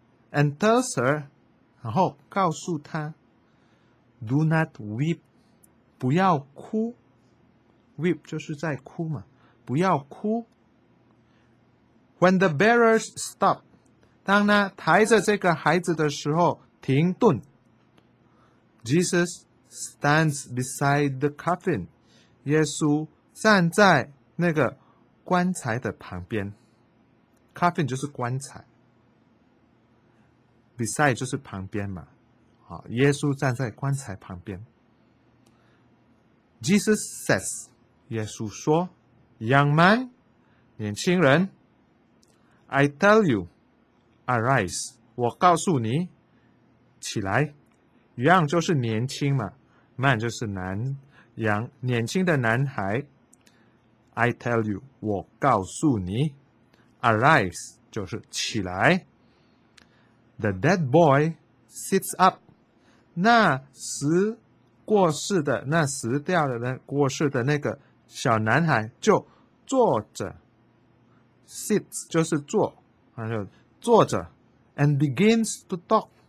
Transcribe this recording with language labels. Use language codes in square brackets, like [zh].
[en] And tells her, [zh] 然后告诉她 [en] do not weep, [zh] 不要哭。 Weep 就是在哭嘛，不要哭。 [en] When the bearers stop, [zh] 当他抬着这个孩子的时候停顿。 [en] Jesus stands beside the coffin. [zh] 耶稣站在那个棺材的旁边。 Coffin 就是棺材。 Beside 就是旁边嘛。好，耶稣站在棺材旁边。 [en] Jesus says, [zh] 耶稣说 [en] Young man, [zh] 年轻人 [en] I tell you, arise, [zh] 我告诉你起来。 Young 就是年轻嘛 ，man 就是男 ，young 年轻的男孩。 [en] I tell you， [zh] 我告诉你 ，arise 就是起来。 [en] The dead boy sits up， [zh] 那时过世的，那死掉的那过世的那个小男孩就坐着 ，sits 就是坐，还有坐着 ， [en] and begins to talk。